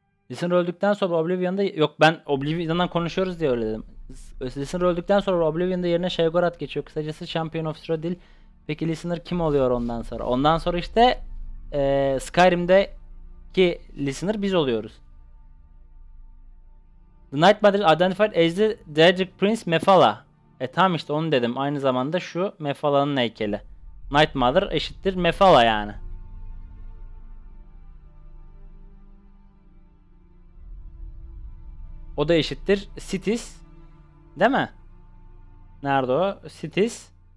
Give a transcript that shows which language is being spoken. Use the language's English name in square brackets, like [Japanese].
[Turkish] Listener öldükten sonra Oblivion'da... Yok, ben Oblivion'dan konuşuyoruz diye öyle dedim. Listener öldükten sonra Oblivion'da yerine Shaygorath geçiyor. Kısacası Champion of Cyrodiil. Peki Listener kim oluyor ondan sonra? Ondan sonra işte Skyrim'deki Listener biz oluyoruz. [English] The Nightmare identified as the Daedric Prince Mephala. [Turkish] E tam işte onu dedim. Aynı zamanda şu Mephala'nın heykeli. Nightmother eşittir Mephala yani. O da eşittir Cities. Değil mi? Nerede o? Cities.